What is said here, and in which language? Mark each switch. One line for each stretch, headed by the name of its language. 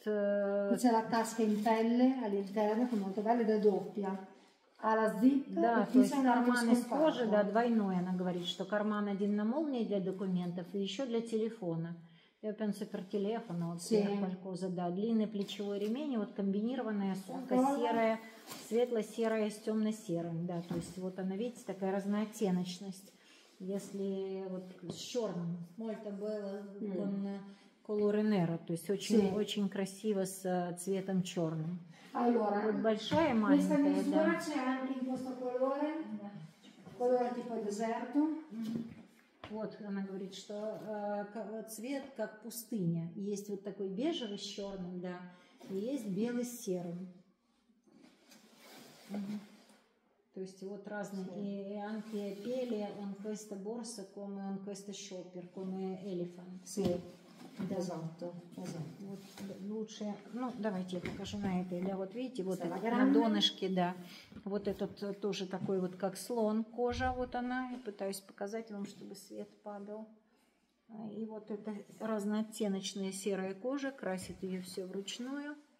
Italian: C'è la tasca in pelle all'interno, che è molto bella, da doppia. Ha la zip.
Russian: Да, то есть карман из кожи, да, двойной. Она говорит, что карман один на молнии для документов и еще для телефона. Я
Italian: penso per telefono, per qualcosa,
Russian: да, длинный плечевой ремень, вот комбинированная сумка серая, светло-серая с темно-серым, да, то есть вот она, видите, такая разнооттеночность, если вот с черным,
Italian: molto bello con colore nero,
Russian: то есть очень, очень красиво с цветом черным.
Italian: Allora,
Russian: вот большая, маленькая,
Italian: questa misura c'è anche in questo colore, colore tipo deserto.
Russian: Вот она говорит, что цвет как пустыня. Есть вот такой бежевый с черным, да, и есть белый с серым. То есть вот разные. И
Italian: anche pelle, un questo borsa, come un questo shopper, come elephant. Sì, esatto, esatto.
Russian: Лучше, ну давайте я покажу на этой. Да, вот видите, вот это, на донышке, да. Вот этот тоже такой вот как слон, кожа вот она. Я пытаюсь показать вам, чтобы свет падал. И вот эта разнооттеночная серая кожа, красит ее все вручную.